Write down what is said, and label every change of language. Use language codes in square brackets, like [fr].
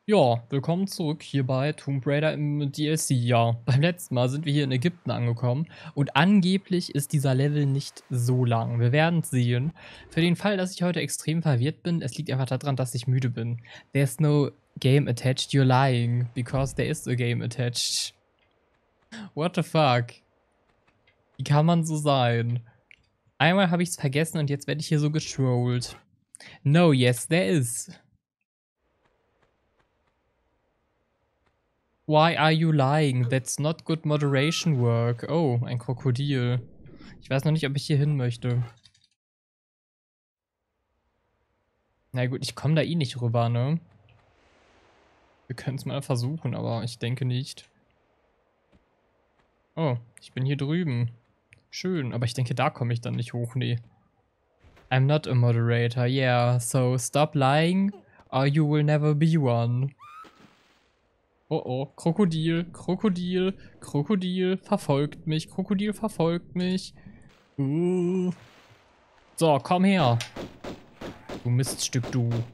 [de] Ja, willkommen zurück hier bei Tomb Raider im DLC. Ja, beim letzten Mal sind wir hier in Ägypten angekommen und angeblich ist dieser Level nicht so lang. Wir werden sehen. Für den Fall, dass ich heute extrem verwirrt bin, es liegt einfach daran, dass ich müde bin. [en] There's no game attached, you're lying, because there is a game attached. What the fuck? [de] Wie kann man so sein? Einmal habe ich es vergessen und jetzt werde ich hier so getrollt. [en] No, yes, there is. Why are you lying? That's not good moderation work. [de] Oh, ein Krokodil. Ich weiß noch nicht, ob ich hier hin möchte. Na gut, ich komme da eh nicht rüber, ne? Wir können es mal versuchen, aber ich denke nicht. Oh, ich bin hier drüben. Schön, aber ich denke, da komme ich dann nicht hoch, nee. [en] I'm not a moderator. Yeah, so stop lying or you will never be one. [de] Oh oh, Krokodil, Krokodil, Krokodil verfolgt mich, Krokodil verfolgt mich. So, komm her. Du Miststück, du.